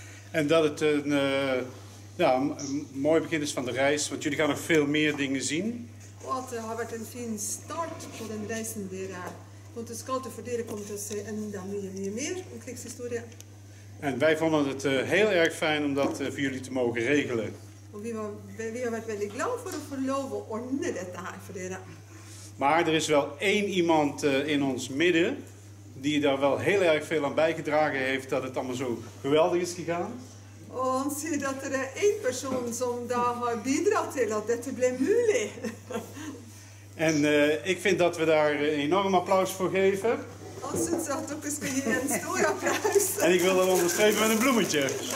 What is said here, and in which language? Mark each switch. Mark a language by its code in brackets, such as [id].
[nl] En dat het een mooi begin is van de reis, want jullie gaan nog veel meer dingen zien. Wat heeft een fijne start voor de reizen die er zijn. Want de schouder voor deze komt dus en dan meer meer in krijgshistorie. En wij vonden het heel erg fijn om dat voor jullie te mogen regelen. [no] Vi har vært veldig glad for å få lov å ordne dette her for dere. [nl] Maar er is wel één iemand in ons midden die daar wel heel erg veel aan bijgedragen heeft dat het allemaal zo geweldig is gegaan. [no] Og han sier at det er én person som da har bidratt til at dette ble mulig. [nl] En ik vind dat we daar een enorm applaus voor geven. [no] Han synes at dere skal gi en stor applaus. [nl] En ik wil dat onderschrijven met een bloemetje.